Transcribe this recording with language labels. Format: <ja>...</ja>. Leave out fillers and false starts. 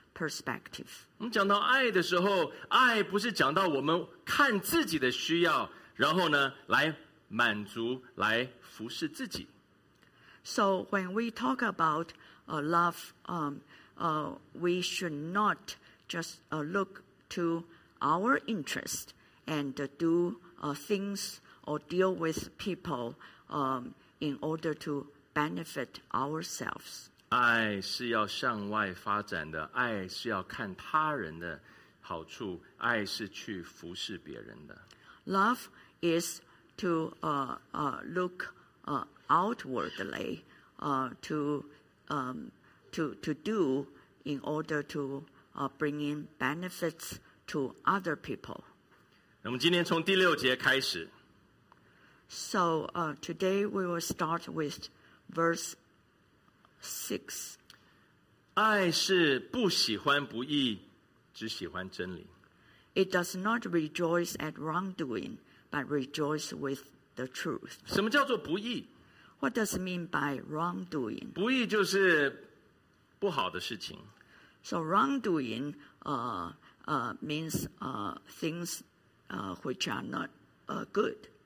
<en>perspective.</en> <zh>我们讲到爱的时候，爱不是讲到我们看自己的需要，然后呢，来满足，来服侍自己。</zh> <en>So when we talk about love, we should not just look to our interest and do things or deal with people in order to benefit ourselves.</en> <zh>爱是要向外发展的，爱是要看他人的好处，爱是去服侍别人的。</zh> <en>Love is to look outwardly to do in order to bring in benefits to other people.</en> <zh>那么今天从第六节开始。</zh> <en>So today we will start with verse. Six.</en> <zh>爱是不喜欢不义，只喜欢真理。</zh> <en>It does not rejoice at wrongdoing, but rejoice with the truth.</en> <zh>什么叫做不义？</zh> <en>What does it mean by wrongdoing?</en> <zh>不义就是不好的事情。</zh> <en>So wrongdoing means things which are not good.</en>